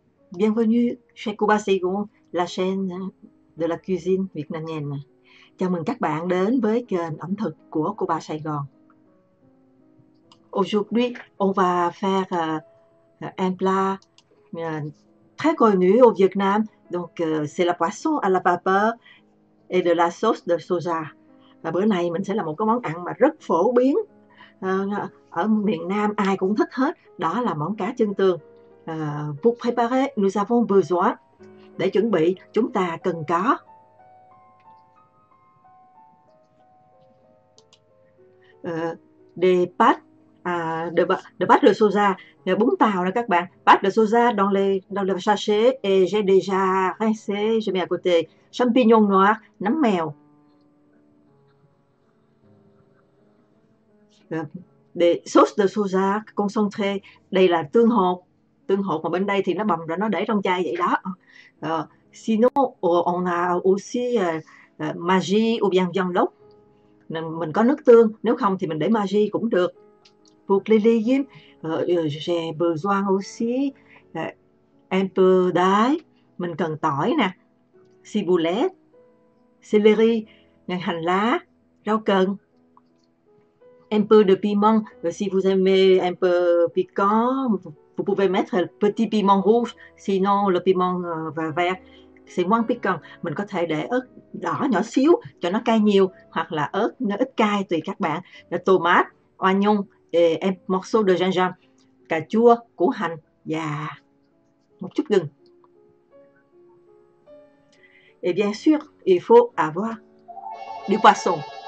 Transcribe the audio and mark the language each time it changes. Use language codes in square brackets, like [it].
[fr] Bienvenue chez Cuba Saigon, la chaîne de la cuisine vietnamienne. [vi] Chào mừng các bạn đến với kênh ẩm thực của Cuba Sài Gòn. [fr] Aujourd'hui, on va faire un plat très connu au Vietnam. Donc, c'est la poisson à la vapeur et de la sauce de soja. [vi] Và bữa nay mình sẽ làm một cái món ăn mà rất phổ biến ở miền Nam, ai cũng thích hết. Đó là món cá chân tương. [fr] Vous préparez, nous avons besoin. [vi] Để chuẩn bị, chúng ta cần có [fr] des pâtes, de soja, [vi] bún tàu nè các bạn. [fr] Pâtes de soja dans le sachet et j'ai déjà rincé, je mets à côté. Champignon noir, [vi] nấm mèo. [fr] Des sauces de soja concentrées, [vi] đây là tương hột. Tương hột mà bên đây thì nó bầm rồi nó để trong chai vậy đó. [fr] Sinon, on a aussi magie ou bien viande lốc. [vi] Mình có nước tương, nếu không thì mình để magie cũng được. [fr] Pour les légumes, j'ai besoin aussi un peu d'ail. [vi] Mình cần tỏi nè, ciboulette, celery, hành lá, rau cần. [fr] Un peu de piment, si vous aimez un peu piquant, vous pouvez mettre le petit piment rouge, sinon le piment vert, c'est moins piquant. [vi] Mình có thể để ớt đỏ nhỏ xíu cho nó cay nhiều, hoặc là ớt nó ít cay tùy các bạn. [fr] Tomat, oignon, et un morceau de gingembre, [vi] cà chua, củ hành và một chút gừng. [fr] Et bien sûr, il faut avoir du poisson.